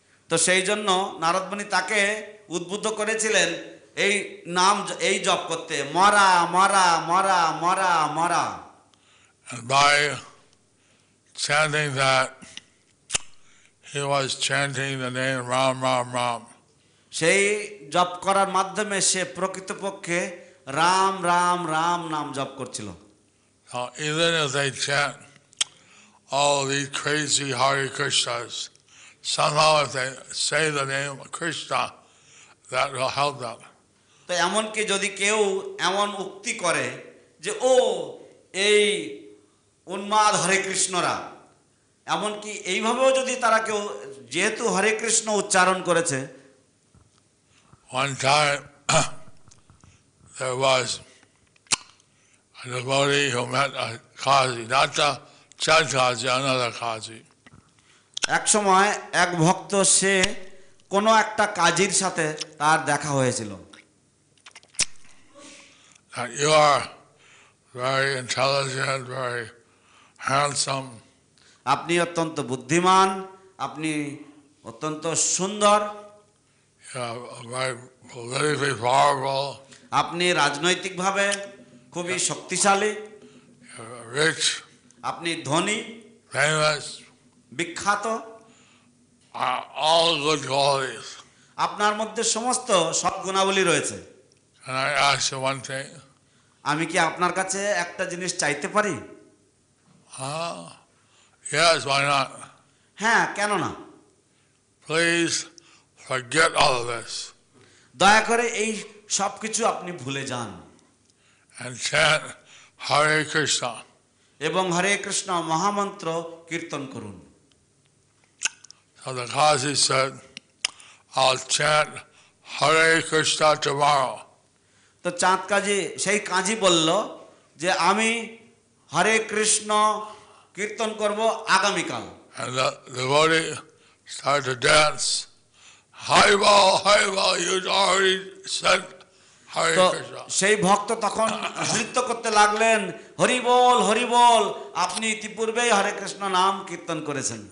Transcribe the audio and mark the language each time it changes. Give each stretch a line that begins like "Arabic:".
Bangla: তো সেই জন্য নারদ মুনি তাকে উদ্বুদ্ধ করেছিলেন এই নাম এই জপ করতে, মরা মরা মরা মরা মরা.
English: And by chanting that, he was chanting the name Ram, Ram, Ram.
Bangla: সেই জপ করার মাধ্যমে সে প্রকৃতপক্ষে রাম রাম রাম নাম জপ করছিল.
English: So even as they chant all these crazy Hare Krishnas, somehow if they say the name of Krishna, that will help them.
Bangla: তো এমনকি যদি কেউ এমন উক্তি করে যে ও এই উন্মাদ হরে কৃষ্ণরা, এমনকি এইভাবেও যদি তারা কেউ যেহেতু হরে কৃষ্ণ উচ্চারণ করেছে.
English: One time there was a devotee who met a Kazi, not a Chandraji, another Kazi.
Bangla: এক সময় এক ভক্ত সে কোনো একটা কাজীর সাথে তার দেখা হয়েছিল.
English: You are very intelligent, very handsome.
Bangla: Apni ottonto buddhiman, apni ottonto sundar.
English: You are very politically powerful.
Bangla: Apni rajnoitik bhabe khubi shaktishali.
English: You are rich.
Bangla: Apni dhoni.
English: Famous.
Bangla: Bikhato.
English: All good qualities.
Bangla: আপনার মধ্যে সমস্ত সদ্গুণাবলী রয়েছে।
English: Can I ask you one thing?
Bangla: আমি কি আপনার কাছে একটা জিনিস চাইতে পারি?
English: Yes, why not?
Bangla: হ্যাঁ, কেন না?
English: Please forget all of this.
Bangla: দয়া করে এই সবকিছু আপনি ভুলে যান।
English: And chant Hare Krishna.
Bangla: এবং হরে কৃষ্ণ মহামন্ত্র কীর্তন করুন।
English: So the Qazi said, I'll chant Hare Krishna tomorrow.
Bangla: তো চাঁদ কাজী সেই কাজী বলল যে আমি হরে কৃষ্ণ কীর্তন করব আগামীকাল।
English: And the devotee started to dance.
Bangla: Hai Bao, Hai Bao,
English: you've already said Hare Krishna.
Bangla: সেই ভক্ত তখন নৃত্য করতে লাগলেন হরি বল হরি বল আপনি ইতিপূর্বেই হরে কৃষ্ণ নাম কীর্তন করেছেন।